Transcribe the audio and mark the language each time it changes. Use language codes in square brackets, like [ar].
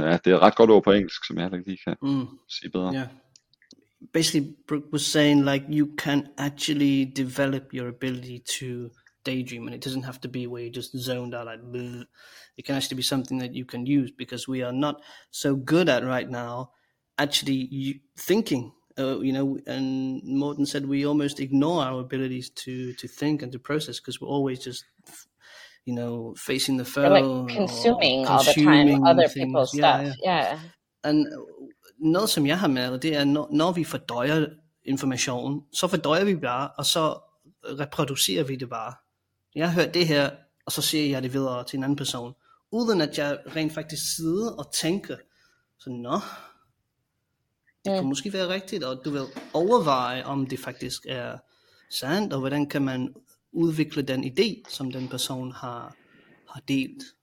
[da] Ja, det er ret godt ord på engelsk, som jeg lige kan sige bedre. [en] Yeah. Basically, Brooke was saying, like, you can actually develop your ability to daydream, and it doesn't have to be where you just zoned out, like, bleh. It can actually be something that you can use, because we are not so good at right now actually thinking. You know, and Morten said we almost ignore our abilities to think and to process, because we're always just... You know, facing the furrow, like consuming all the time other things. People's stuff. Yeah. [da] And noget som jeg har med, det er, når vi fordøjer information, så fordøjer vi bare, og så reproducerer vi det bare. Jeg har hørt det her, og så siger jeg det videre til en anden person, uden at jeg rent faktisk sidder og tænker, så nå, det kunne måske være rigtigt, og du vil overveje, om det faktisk er sandt, og hvordan kan man udvikle den idé, som den person har delt.